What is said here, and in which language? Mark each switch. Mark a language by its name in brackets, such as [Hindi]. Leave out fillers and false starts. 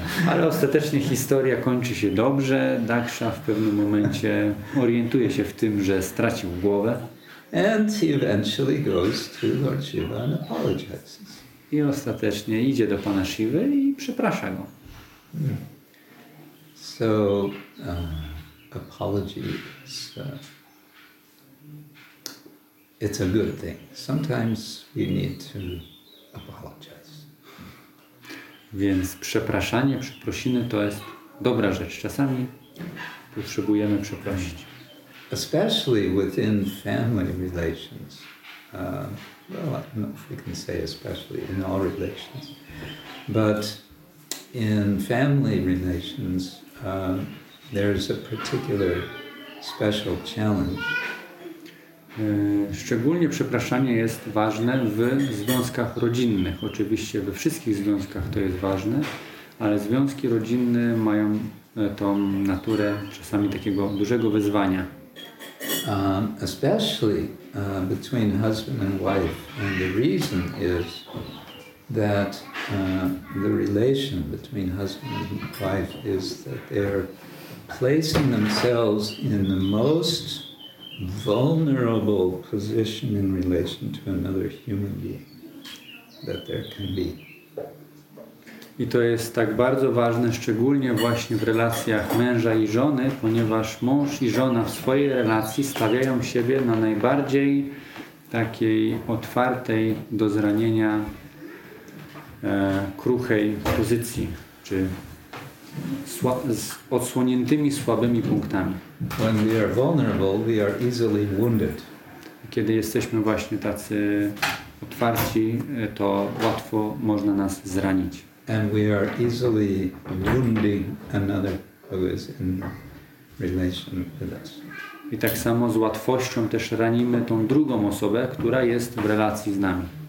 [Polish] Ale ostatecznie historia kończy się dobrze. Daksha w pewnym momencie orientuje się w tym, że stracił głowę. [English] And he eventually goes to Lord Shiva and apologizes. [Polish] I ostatecznie idzie do Pana Shivy i przeprasza go. [English] So, apology is it's a good thing. Sometimes we need to apologize. [Polish] Więc przepraszanie, przeprosiny to jest dobra rzecz. Czasami potrzebujemy przeprosić. [English] Especially within family relations. Well, I don't know if we can say especially in all relations. But in family relations, there's a particular special challenge. [Polish] Szczególnie przepraszanie jest ważne w związkach rodzinnych. Oczywiście we wszystkich związkach to jest ważne, ale związki rodzinne mają tą naturę czasami takiego dużego wyzwania. [English] Especially between husband and wife, and the reason is that the relation between husband and wife is that they're placing themselves in the most vulnerable position in relation to another human being that there can be. [Polish] I to jest tak bardzo ważne, szczególnie właśnie w relacjach męża i żony, ponieważ mąż i żona w swojej relacji stawiają siebie na najbardziej takiej otwartej do zranienia, kruchej pozycji, czy z odsłoniętymi słabymi punktami. [English] When we are vulnerable, we are easily wounded. [Polish] Kiedy jesteśmy właśnie tacy otwarci, to łatwo można nas zranić. [English] And we are easily wounding another who is in relation with us. [Polish] I tak samo z łatwością też ranimy tą drugą osobę, która jest w relacji z nami.